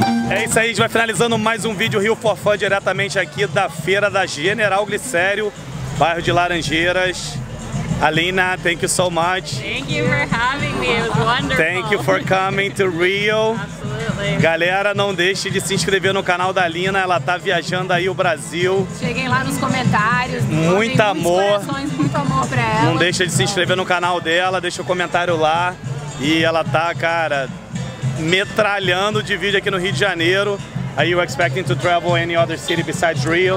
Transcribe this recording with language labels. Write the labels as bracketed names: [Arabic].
[Portuguese] É isso aí, a gente vai finalizando mais um vídeo Rio for Fun diretamente aqui da feira da General Glicério, bairro de Laranjeiras. [English] Alina, thank you so much. Thank you for having me, it was wonderful. Thank you for coming to Rio. Absolutely. [Portuguese] Galera, não deixe de se inscrever no canal da Alina, ela tá viajando aí o Brasil. Cheguem lá nos comentários. Muito amor. Muito amor pra ela. Não deixa de se inscrever no canal dela, deixa o comentário lá. E ela tá, cara, metralhando de vídeo aqui no Rio de Janeiro. [English] Are you expecting to travel any other city besides Rio?